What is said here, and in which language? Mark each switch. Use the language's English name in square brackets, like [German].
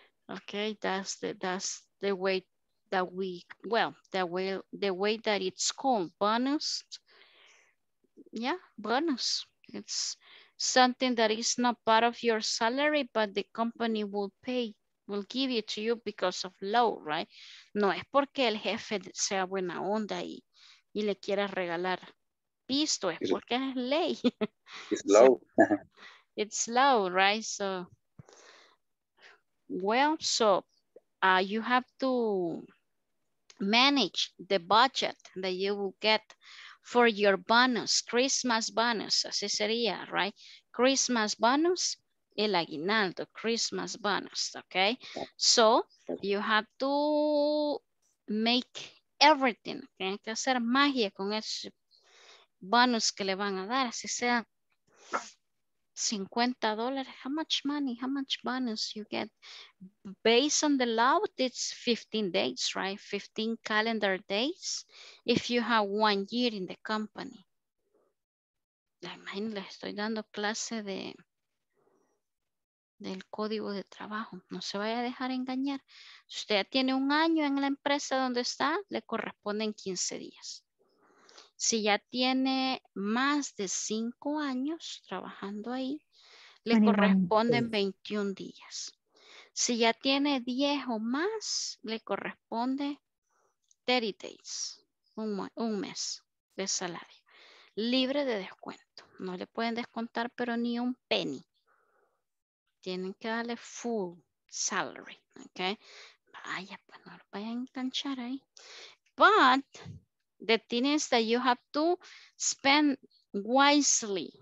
[English] Okay, that's the way that we, well, the way that it's called, bonus. Yeah, bonus. It's something that is not part of your salary, but the company will pay, will give it to you because of law, right? [Spanish] No es porque el jefe sea buena onda y y le quieras regalar pisto, es porque es ley. [English] It's low. It's low, right? So, well, so you have to manage the budget that you will get for your bonus, Christmas bonus, [Spanish] así sería, [English] right? Christmas bonus, el aguinaldo, Christmas bonus, okay? So, you have to make everything, [Spanish] tienen que hacer magia con esos bonus que le van a dar, así sea [English] $50. How much money? How much bonus you get? Based on the law, it's 15 days, right? 15 calendar days if you have 1 year in the company. [Spanish] Imagínate, estoy dando clase de del código de trabajo. No se vaya a dejar engañar. Si usted ya tiene un año en la empresa donde está, le corresponden 15 días. Si ya tiene más de 5 años trabajando ahí, le corresponden 21 días. Si ya tiene 10 o más, le corresponde 30 days, un mes de salario. Libre de descuento. No le pueden descontar, pero ni un penny. Tienen que darle full salary. Okay. Vaya, pues no lo vayan a enganchar ahí. [English] But the thing is that you have to spend wisely.